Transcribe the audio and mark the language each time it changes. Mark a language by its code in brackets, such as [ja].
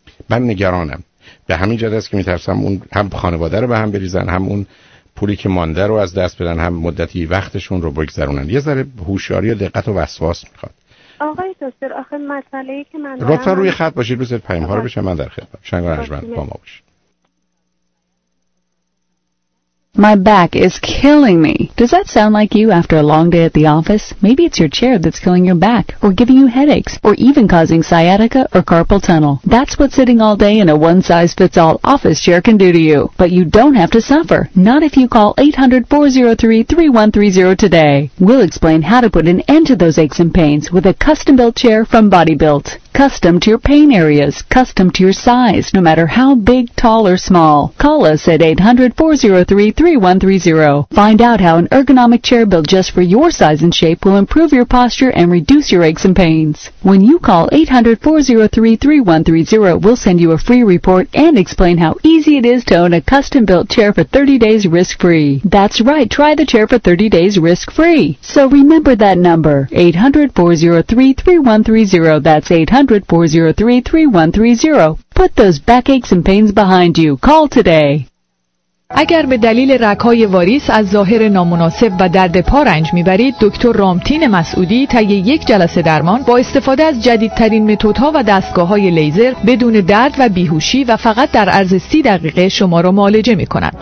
[fa] من نگرانم، به همین جهت است که میترسم اون هم خانواده رو به هم بریزن، هم اون پولی که مانده رو از دست بدن، هم مدتی وقتشون رو بگذرونن. یه ذره هوشیاری و دقت و وسواس میخواد. آقای دکتر، آخه مسئله‌ای که من دارم، لطفا روی خط باشید، بذارید پیام‌ها رو بشه، من در خدمت شنگ ارجمند با ما باشید. [en] My back is killing me. Does that sound like you after a long day at the office? Maybe it's your chair that's killing your back, or giving you headaches, or even causing sciatica or carpal tunnel. That's what sitting all day in a one-size-fits-all office chair can do to you. But you don't have to suffer. Not if you call 800-403-3130 today. We'll explain how to put an end to those aches and pains with a custom-built chair from Bodybuilt. Custom to your pain areas, custom to your size, no matter how big, tall, or small. Call us at 800-403-3130. Find out how an ergonomic chair built just for your size and shape will improve your posture and reduce your aches and pains. When you call 800-403-3130, we'll send you a free report and explain how easy it is to own a custom-built chair for 30 days risk-free. That's right, try the chair for 30 days risk-free. So remember that number, 800-403-3130. That's 800-403-3130. Put those back aches and pains behind you. Call today. [fa] اگر به دلیل رگ‌های واریس از ظاهر نامناسب و درد پا رنج می‌برید، دکتر رامتین مسعودی طی یک جلسه درمان با استفاده از جدیدترین متدها و دستگاه‌های لیزر بدون درد و بیهوشی و فقط در عرض 30 دقیقه شما را معالجه می‌کند.